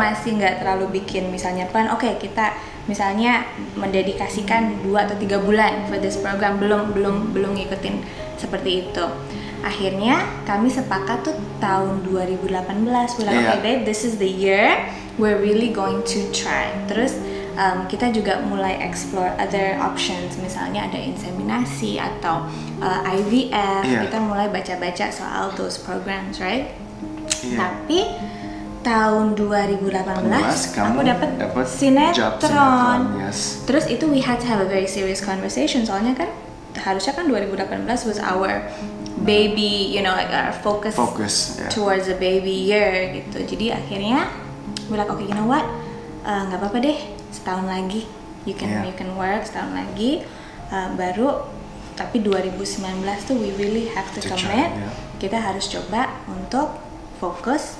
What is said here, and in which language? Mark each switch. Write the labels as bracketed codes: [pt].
[id] Masih enggak terlalu bikin misalnya plan okay, kita misalnya mendedikasikan 2 atau 3 bulan [en] for this program [id] belum ngikutin seperti itu. Akhirnya kami sepakat tuh tahun 2018 bilang yeah. [en] Okay babe, this is the year we're really going to try. [id] Terus kita juga mulai [en] explore other options, [id] misalnya ada inseminasi atau IVF yeah. Kita mulai baca-baca soal [en] those programs, right? Yeah. [id] Tapi tahun 2018 aku dapet sinetron yes. Terus itu [en] we had to have a very serious conversation, [id] soalnya kan harusnya kan [en] 2018 was our baby, you know, like our focus yeah. Towards a baby year [id] gitu. Jadi akhirnya [en] we like okay, you know what? [id] Enggak apa-apa deh. Setahun lagi. [en] You can yeah. You can work [id] setahun lagi. Baru tapi [en] 2019 [id] tuh [en] we really have to commit. Try, yeah. [id] Kita harus coba untuk fokus